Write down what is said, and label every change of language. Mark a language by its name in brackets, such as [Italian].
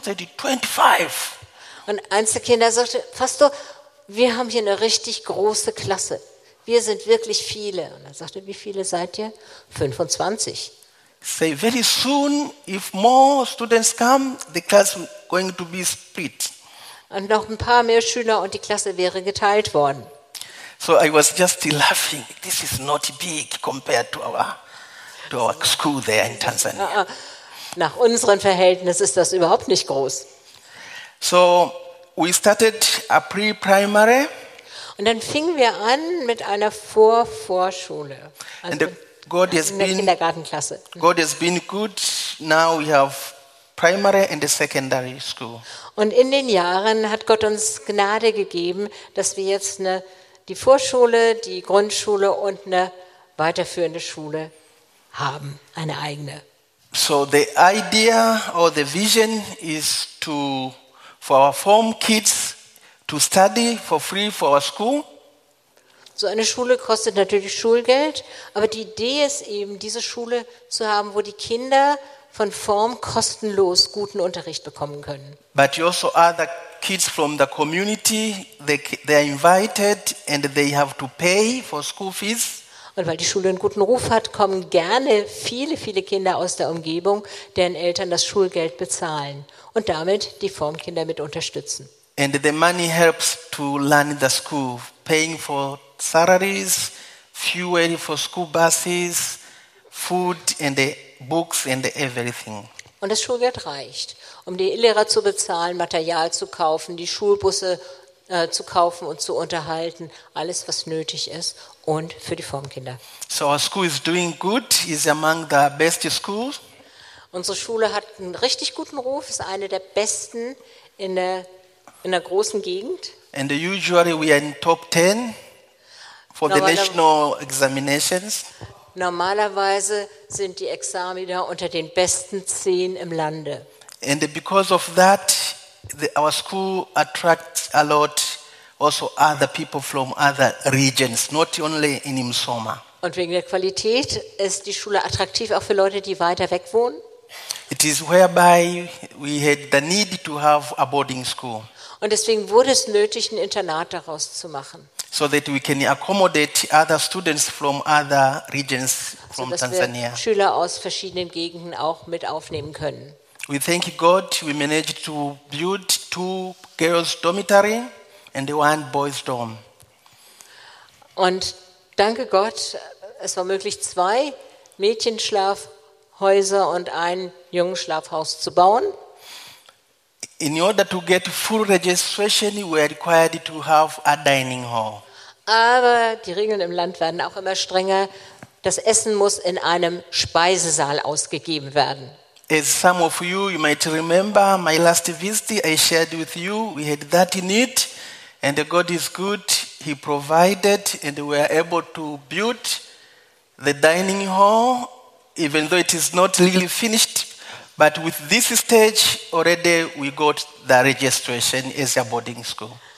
[English] They said, 25. [German] Und eins der Kinder sagte, Pastor, wir haben hier eine richtig große Klasse. Wir sind wirklich viele. Und er sagte, wie viele seid ihr? 25. [English] Say, very soon, if more students come, the class is going to be split. [German] Und noch ein paar mehr Schüler und die Klasse wäre geteilt worden. [English] So I was just laughing. This is not big compared to our school there in Tanzania. [German] Nach unseren Verhältnissen ist das überhaupt nicht groß. [English] So we started a pre-primary. [German] Und dann fingen wir an mit einer Vorschule. [English] Also and God has [German] in der Kindergartenklasse. [English] God has been good. Now we have primary and the secondary school. [German] Und in den Jahren hat Gott uns Gnade gegeben, dass wir jetzt die Vorschule, die Grundschule und eine weiterführende Schule haben, eine eigene. [English] So the idea or the vision is to for our form kids to study for free for our school. [German] So eine Schule kostet natürlich Schulgeld, aber die Idee ist eben, diese Schule zu haben, wo die Kinder von Form kostenlos guten Unterricht bekommen können. [English] But you also other kids from the community, they are invited and they have to pay for school fees. [German] Und weil die Schule einen guten Ruf hat, kommen gerne viele, viele Kinder aus der Umgebung, deren Eltern das Schulgeld bezahlen und damit die Formkinder mit unterstützen. [English] And the money helps to learn in the school, paying for salaries, fuel for school buses, food and the books and everything. [German] Und das Schulgeld reicht, um die Lehrer zu bezahlen, Material zu kaufen, die Schulbusse zu kaufen und zu unterhalten, alles was nötig ist und für die Formkinder. [English] So our school is doing good, is among the best schools. [German] Unsere Schule hat einen richtig guten Ruf, ist eine der besten in der großen Gegend. [English] And usually we are in top 10 for the national examinations. [German] Normalerweise sind die Examiner unter den besten 10 im Lande. [English] And because of that, our school attracts a lot also other people from other regions, not only in Msoma. [German] Und wegen der Qualität ist die Schule attraktiv auch für Leute, die weiter weg wohnen. [English] It is whereby we had the need to have a boarding school. [German] Und deswegen wurde es nötig, ein Internat daraus zu machen. [English] So that we can accommodate other students from other regions from Tanzania. [German] Sodass wir Schüler aus verschiedenen Gegenden auch mit aufnehmen können. [English] We thank God we managed to build 2 girls dormitory and 1 boys dorm. [German] Und danke Gott, es war möglich, 2 Mädchenschlafhäuser und ein Jungenschlafhaus zu bauen. [English] In order to get full registration, we are required to have a dining hall. [German] Aber die Regeln im Land werden auch immer strenger. Das Essen muss in einem Speisesaal ausgegeben werden. [English] As some of you, you might remember my last visit I shared with you, we had that need and God is good, he provided and we are able to build the dining hall even though it is not really finished, but with this stage already we got the registration as a boarding school.